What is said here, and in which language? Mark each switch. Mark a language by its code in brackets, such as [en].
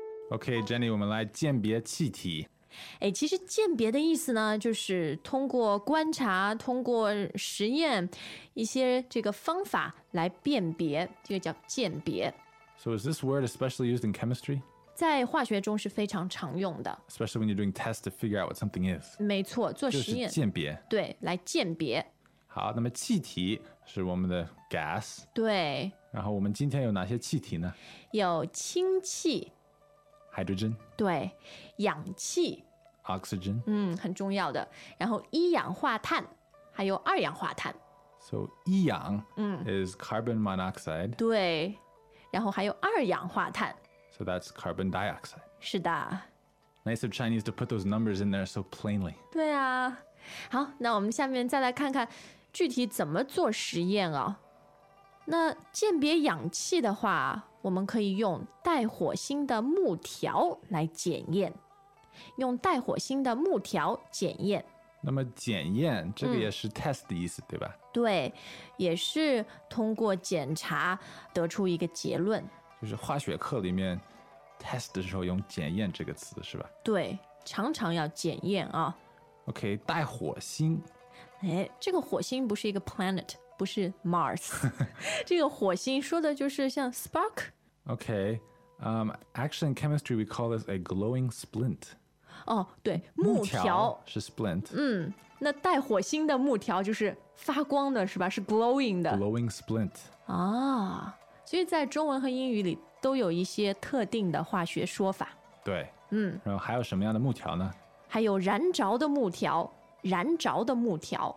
[zh] OK, Jenny, 我们来鉴别气体。哎，其实鉴别的意思呢，就是通过观察，通过实验一些这个方法来辨别，这个叫鉴别。 [en] So is this word especially used in chemistry? [zh] 在化学中是非常常用的。 [en] Especially when you're doing tests to figure out what something is. [zh] 没错，做实验就是鉴别。对，来鉴别。好，那么气体是我们的 gas。对。然后我们今天有哪些气体呢？有氢气， [en] Hydrogen. [zh] 对，氧气 [en] Oxygen. [zh] 嗯，很重要的。然后一氧化碳，还有二氧化碳。 [en] So, [zh] 一氧 [en] is carbon monoxide. [zh] 对，然后还有二氧化碳。 [en] So that's carbon dioxide. [zh] 是的。 [en] Nice of Chinese to put those numbers in there so plainly. [zh] 对啊。好，那我们下面再来看看具体怎么做实验哦。那鉴别氧气的话，我们可以用带火星的木条来检验，用带火星的木条检验。那么检验这个也是 test 的意思，对吧？对，也是通过检查得出一个结论。就是化学课里面 test 的时候用检验这个词，是吧？对，常常要检验啊。 OK, 带火星。哎，这个火星不是一个 planet。不是 Mars, 这个火星说的就是像 spark. [en] Okay, actually in chemistry we call this a glowing splint. [zh] 哦，对，木条是 splint。嗯，那带火星的木条就是发光的，是吧？是 glowing 的。 [en] glowing splint。 [zh] 啊，所以在中文和英语里都有一些特定的化学说法。对，嗯，然后还有什么样的木条呢？还有燃着的木条，燃着的木条，